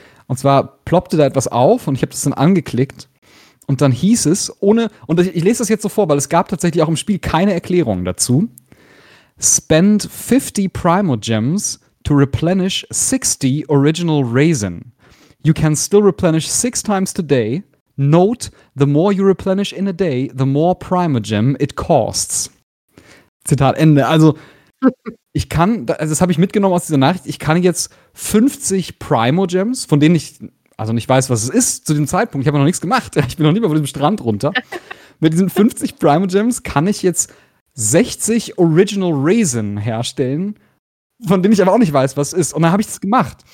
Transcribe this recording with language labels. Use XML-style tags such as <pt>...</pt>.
<de>Und zwar ploppte da etwas auf und ich habe das dann angeklickt und dann hieß es, ohne, und ich lese das jetzt so vor, weil es gab tatsächlich auch im Spiel keine Erklärung dazu,</de> <en>spend 50 Primo Gems to replenish 60 original Raisin. You can still replenish 6 times today. Note, the more you replenish in a day, the more Primo Gem it costs.</en> <de>Zitat Ende. Also, ich kann, das habe ich mitgenommen aus dieser Nachricht, ich kann jetzt 50 Primogems, von denen ich also nicht weiß, was es ist zu dem Zeitpunkt, ich habe noch nichts gemacht, ich bin noch nie mal von diesem Strand runter, mit diesen 50 Primogems kann ich jetzt 60 Original Raisin herstellen, von denen ich aber auch nicht weiß, was es ist. Und dann habe ich das gemacht.</de>